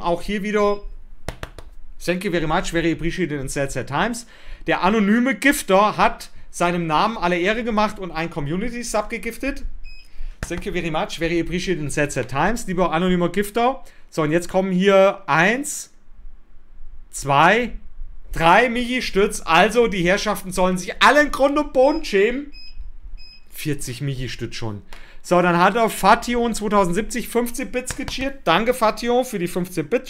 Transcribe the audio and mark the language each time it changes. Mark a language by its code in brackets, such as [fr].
[de] Auch hier wieder, [en] thank you very much, very appreciated in ZZ Times. [de] Der anonyme Gifter hat seinem Namen alle Ehre gemacht und ein Community-Sub gegiftet. [en] Thank you very much, very appreciated in ZZ Times, [de] lieber anonymer Gifter. So, und jetzt kommen hier 1, 2, 3 Michi-Stütz. Also, die Herrschaften sollen sich alle in Grund und Boden schämen. 40 Michi-Stütz schon. So, dann hat er Fation 2070 15 Bits gecheert. Danke, Fation, für die 15 Bits.